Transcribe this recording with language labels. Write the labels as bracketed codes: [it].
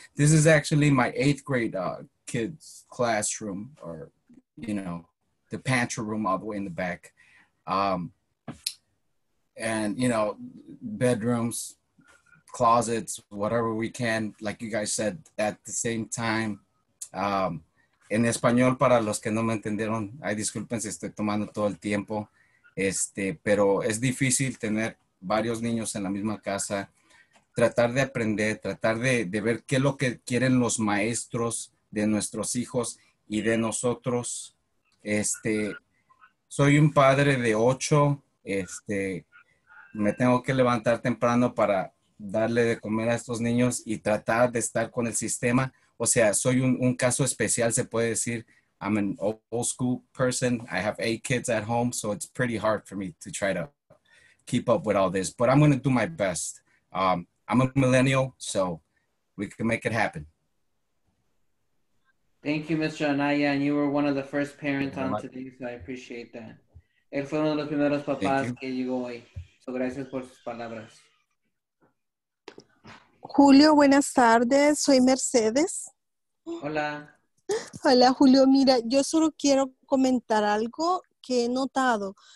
[en] This is actually my 8th grade kids classroom, or, you know, the pantry room all the way in the back. And, you know, bedrooms, closets, whatever we can, like you guys said, at the same time. [es] En español, para los que no me entendieron, ay, disculpen si estoy tomando todo el tiempo, pero es difícil tener varios niños en la misma casa, tratar de aprender, tratar de ver qué es lo que quieren los maestros de nuestros hijos y de nosotros, Soy un padre de 8, me tengo que levantar temprano para darle de comer a estos niños y tratar de estar con el sistema. O sea, soy un caso especial, se puede decir, [en] I'm an old school person. I have 8 kids at home, so it's pretty hard for me to try to keep up with all this, but I'm going to do my best. I'm a millennial, so we can make it happen. Thank you, Mr. Anaya, and you were one of the first parents on today, so I appreciate that. [es] Él fue uno de los primeros papás que llegó hoy. So gracias por sus palabras. Julio, buenas tardes. Soy Mercedes. Hola. Hola, Julio. Mira, yo solo quiero comentar algo que he notado.